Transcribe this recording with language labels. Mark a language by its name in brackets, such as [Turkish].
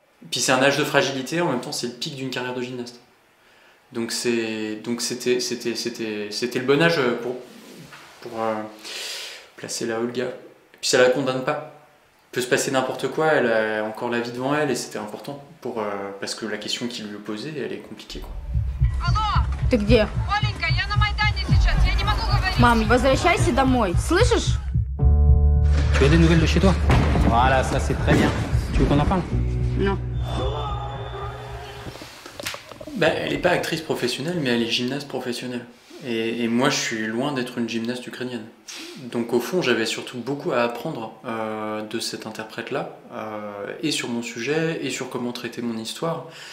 [French] Puis c'est un âge de fragilité, en même temps c'est le pic d'une carrière de gymnaste. Donc c'était le bon âge pour placer la Olga. Et puis ça la condamne pas. Peut se passer n'importe quoi, elle a encore la vie devant elle et c'était important pour parce que la question qu'il lui posait, elle est compliquée, quoi. [Russian] Allô, ты где? Оленька, я на Майдане сейчас, я не могу говорить. Мам, возвращайся домой, слышишь? [French] Tu as des nouvelles de chez toi? Voilà, ça c'est très bien. Tu veux qu'on en parle? Non. Ben, elle est pas actrice professionnelle, mais elle est gymnaste professionnelle. Et moi, je suis loin d'être une gymnaste ukrainienne. Donc au fond, j'avais surtout beaucoup à apprendre de cette interprète-là, et sur mon sujet, et sur comment traiter mon histoire.